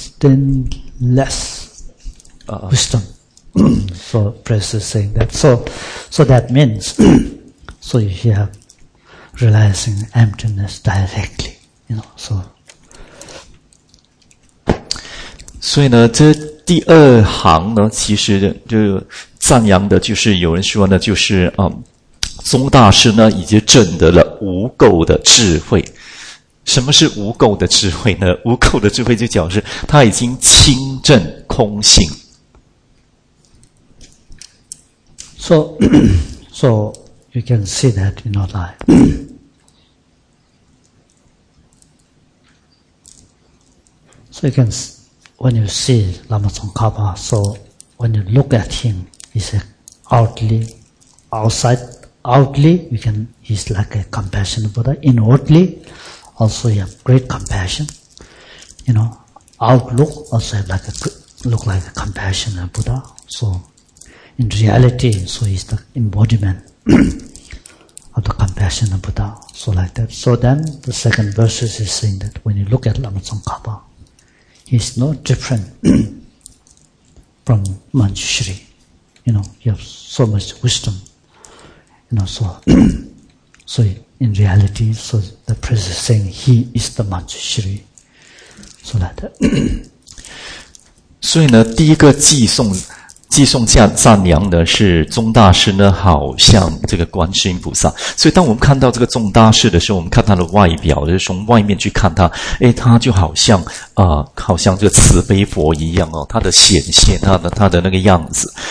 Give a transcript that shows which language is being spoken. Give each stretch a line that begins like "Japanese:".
English: Stainless wisdom. So, Prince is saying that. So that means, so you hear,realizing emptiness directly, you know, so.
Chinese: 所以呢，这第二行呢，其实就赞扬的就是有人说呢，就是宗大师呢已经证得了无垢的智慧。什么是无垢的智慧呢？无垢的智慧就表示他已经清证空性。
English: So you can see that in our life. So you can, when you see Lama Tsongkhapa, so when you look at him, he's outwardly, outwardly, we can, he's like a compassionate Buddha. Inwardly, also he has great compassion. You know, outlook also have like a, look like a compassionate Buddha. So, in reality, so he's the embodiment of the compassionate Buddha. So like that. So then, the second verse is saying that when you look at Lama Tsongkhapa, he's no different from Manjushri. You know, he has so much wisdom. You know, so, so in reality, so the priest is saying he is the Manjushri. So like that.
Chinese: 所以呢，第一个寄送赞扬的是宗大师呢，好像这个观世音菩萨。所以当我们看到这个宗大师的时候，我们看他的外表，就是从外面去看他，哎，他就好像好像这个慈悲佛一样哦，他的显现，他的那个样子。